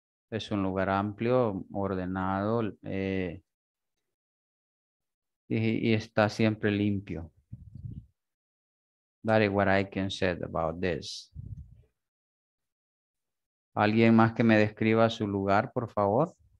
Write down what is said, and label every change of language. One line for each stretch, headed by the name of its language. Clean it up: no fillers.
Spanish: Es un lugar amplio, ordenado, y está siempre limpio.
English: That is what I can say about this.
Spanish: ¿Alguien más que me describa su lugar, por favor?